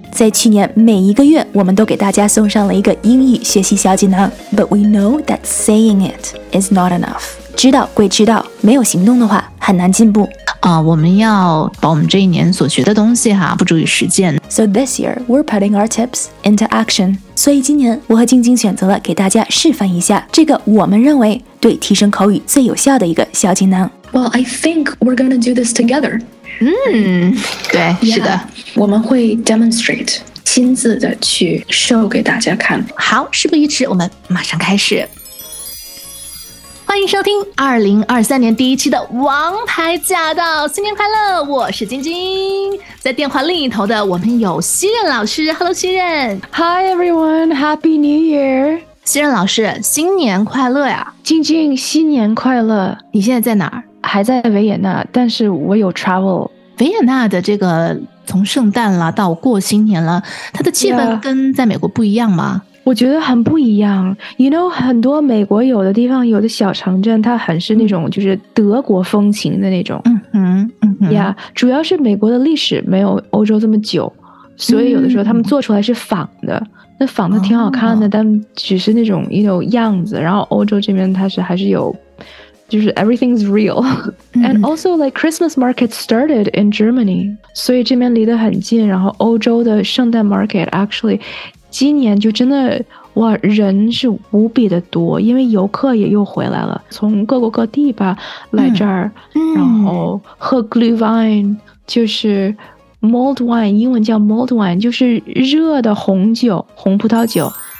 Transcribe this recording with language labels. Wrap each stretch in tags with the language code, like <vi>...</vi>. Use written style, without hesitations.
<zh>在去年每一个月我们都给大家送上了一个英语学习小技能。</zh> <en>But we know that saying it is not enough.</en> <zh>知道归知道，没有行动的话很难进步。我们要把我们这一年所学的东西哈，付诸于实践。</zh> <en>So this year, we're putting our tips into action.</en> <zh>所以今年我和晶晶选择了给大家示范一下这个我们认为对提升口语最有效的一个小技能。</zh> <en>Well, I think we're gonna do this together.</en> <zh>对，</zh> <en>yeah,</en> <zh>是的。我们会 demonstrate, 亲自的去 show 给大家看。好，事不宜迟，我们马上开始。欢迎收听2023年第一期的王牌驾到，新年快乐，我是晶晶。在电话另一头的我们有西任老师， Hello 西任。</zh> <en>Hi everyone, Happy New Year。</en> <zh>西任老师，新年快乐呀。晶晶，新年快乐。你现在在哪儿？还在维也纳，但是我有 travel。维也纳的这个从圣诞了到过新年了，它的气氛跟在美国不一样吗？ Yeah. 我觉得很不一样。 You know, 很多美国有的地方有的小城镇它很是那种就是德国风情的那种。</zh> <en>Yeah,</en> <zh>主要是美国的历史没有欧洲这么久，所以有的时候他们做出来是仿的，那仿的挺好看的，但只是那种 you know, 样子。然后欧洲这边它是还是有就是</zh> <en>everything's real. And also like Christmas market started in Germany,</en> <zh>所以这边离得很近。然后欧洲的圣诞 market actually今年就真的哇，人是无比的多，因为游客也又回来了，从各国各地吧来这儿，然后喝 Glühwein, 就是 Mulled Wine, 英文叫 Mulled Wine, 就是热的红酒，红葡萄酒。</zh>